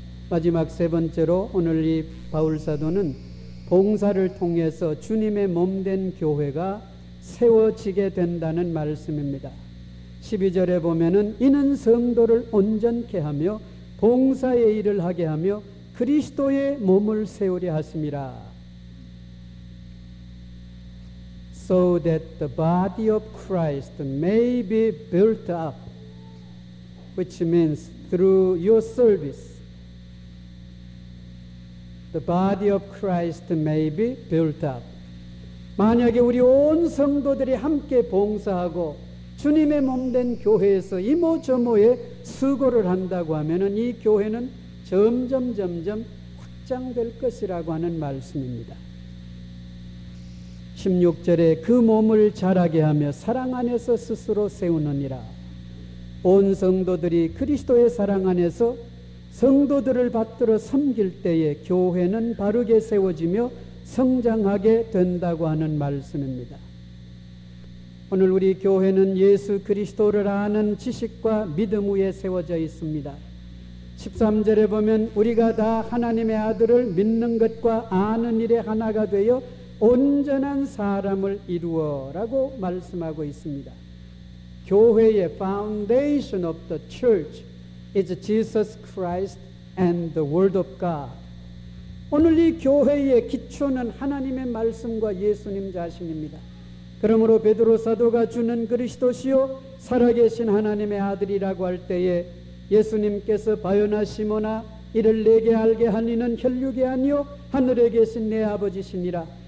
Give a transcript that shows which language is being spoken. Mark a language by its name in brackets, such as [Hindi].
[Korean] 마지막 세 번째로 오늘 이 바울사도는 봉사를 통해서 주님의 몸된 교회가 세워지게 된다는 말씀입니다. 12절에 보면은 이는 성도를 온전케 하며 봉사의 일을 하게 하며 그리스도의 몸을 세우려 하심이라. [English] So that the body of Christ may be built up, which means through your service. The body of Christ may be built up. [Korean] 만약에 우리 온 성도들이 함께 봉사하고 주님의 몸된 교회에서 이모저모의 수고를 한다고 하면은 이 교회는 점점 확장될 것이라고 하는 말씀입니다. 16절에 그 몸을 자라게 하며 사랑 안에서 스스로 세우느니라. 온 성도들이 그리스도의 사랑 안에서 성도들을 받들어 섬길 때에 교회는 바르게 세워지며 성장하게 된다고 하는 말씀입니다. 오늘 우리 교회는 예수 그리스도를 아는 지식과 믿음 위에 세워져 있습니다. 13절에 보면 우리가 다 하나님의 아들을 믿는 것과 아는 일에 하나가 되어 온전한 사람을 이루어라고 말씀하고 있습니다. 교회의 [English] foundation of the church is Jesus Christ and the Word of God. [Korean] 오늘 이 교회의 기초는 하나님의 말씀과 예수님 자신입니다. 그러므로 베드로 사도가 주는 그리스도시요 살아계신 하나님의 아들이라고 할 때에 예수님께서 바요나 시모나 이를 내게 알게 하니는 혈육이 아니요 하늘에 계신 내 아버지시니라.